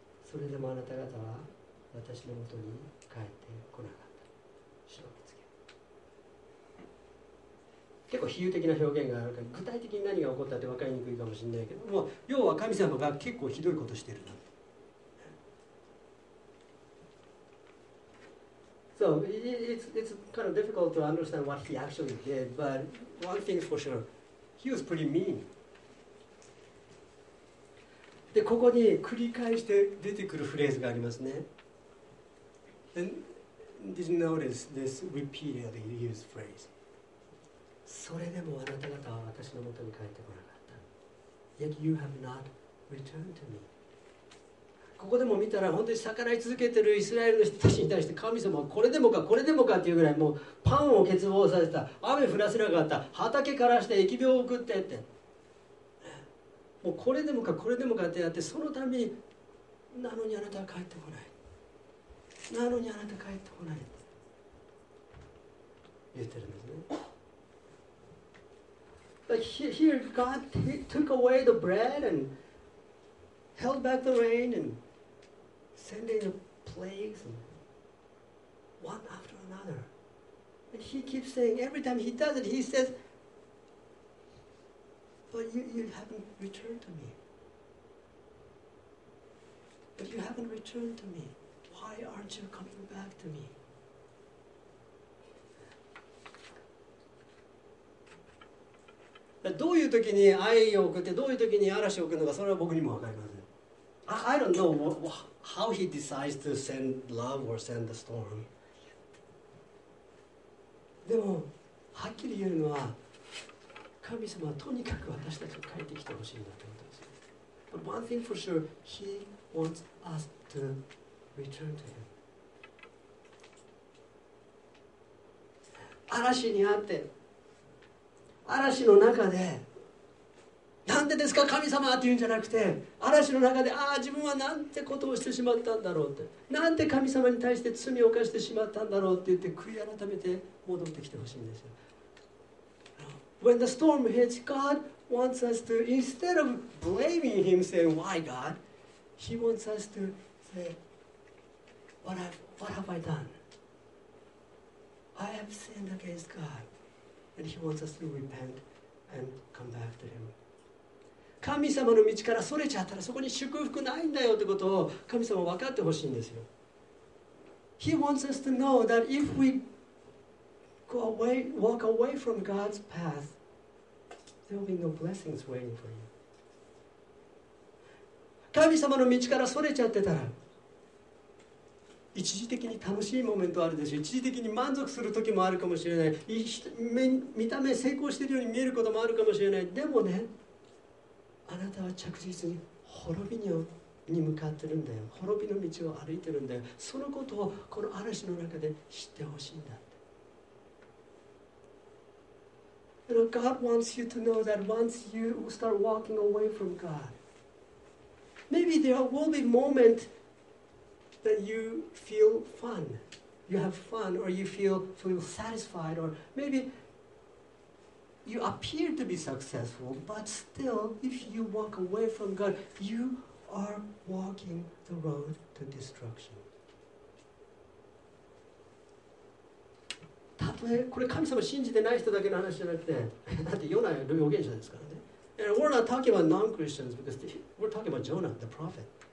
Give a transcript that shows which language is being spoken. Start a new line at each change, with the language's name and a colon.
Japanese: それでもあなた方は私のもとに帰ってこなかった。主の御告げ。結構比喩的な表現があるから、具体的に何が起こったって分かりにくいかもしれないけども、要は神様が結構ひどいことしてるな。
English: So it's kind of difficult to understand what he actually did, but one thing's for sure, he was pretty mean.
Japanese: で、ここに繰り返して出てくるフレーズがありますね。
English: And did you notice this repeatedly used phrase?
Japanese: それでもあなた方は私のもとに帰ってこなかった。
English: Yet you have not returned to me.
Japanese: ここでも見たら、本当に逆らい続けているイスラエルの人たちに対して神様はこれでもか、これでもかっていうぐらい、もうパンを欠乏させた、雨降らせなかった、畑枯らして疫病を送ってって、もうこれでもか、これでもかってやって、そのたびになのにあなたは帰ってこない、なのにあなたは帰ってこないって言ってるんですね。
English: But here God took away the bread andheld back the rain and sending the plagues one after another. And he keeps saying, every time he does it, he says, but you haven't returned to me. But you haven't returned to me. Why aren't you coming back to me?
Japanese: どういう時に愛を送って、どういう時に嵐を送るのか、それは僕にも分かりません。
English: I don't know how he decides to send love or send the storm.
Japanese: でも、はっきり言えるのは、神様はとにかく私たちに帰ってきてほしいんだということです。
English: But one thing for sure, he wants us to return to him.
Japanese: 嵐にあって、嵐の中で、なんでですか神様って言うんじゃなくて、嵐の中で、ああ自分はなんてことをしてしまったんだろうって、なんて神様に対して罪を犯してしまったんだろうって言って悔い改めて戻ってきてほしいんですよ。
English: When the storm hits, God wants us to, instead of blaming him, saying, why God? He wants us to say, what have I done? I have sinned against God. And he wants us to repent and come back to him.
Japanese: 神様の道からそれちゃったら、そこに祝福ないんだよってことを神様は分かってほしいんですよ。
English: He wants us to know that if we go away, walk away from God's path, there will be no blessings waiting for you.
Japanese: 神様の道からそれちゃってたら、一時的に楽しいモメントあるでしょ、一時的に満足する時もあるかもしれない、見た目成功しているように見えることもあるかもしれない、でもね、あなたは着実に滅びに向かってるんだよ、滅びの道を歩いてるんだよ、そのことをこの嵐の中で知ってほしいんだ。
English: You know, God wants you to know that once you start walking away from God, maybe there will be momentThat you feel fun, you have fun, or you feel satisfied, or maybe you appear to be successful, but still, if you walk away from God, you are walking the road to destruction.
Japanese: たとえこれ神様信じてない人だけの話じゃなくて、だってヨナは預言者ですからね。
English: And we're not talking about non-Christians because we're talking about Jonah, the prophet.